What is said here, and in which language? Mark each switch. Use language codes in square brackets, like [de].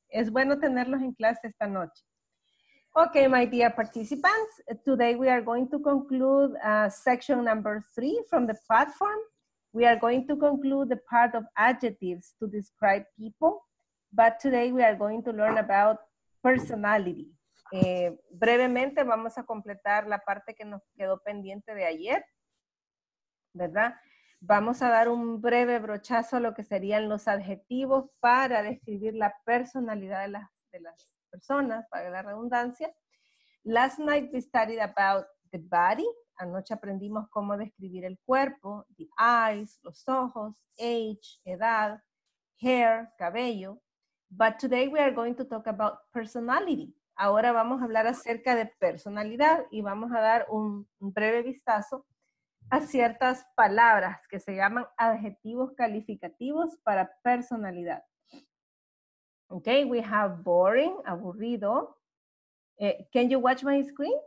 [es] Es bueno tenerlos en clase esta noche. [en] Okay, my dear participants, today we are going to conclude section number 3 from the platform. We are going to conclude the part of adjectives to describe people, but today we are going to learn about personality. [es] Brevemente vamos a completar la parte que nos quedó pendiente de ayer, ¿verdad? Vamos a dar un breve brochazo a lo que serían los adjetivos para describir la personalidad de las personas, para la redundancia. [en] Last night we studied about the body. [es] Anoche aprendimos cómo describir el cuerpo, [en] the eyes, los ojos, age, edad, hair, cabello. But today we are going to talk about personality. [es] Ahora vamos a hablar acerca de personalidad y vamos a dar un breve vistazo a ciertas palabras que se llaman adjetivos calificativos para personalidad. [en] Okay, we have boring, aburrido. Can you watch my screen?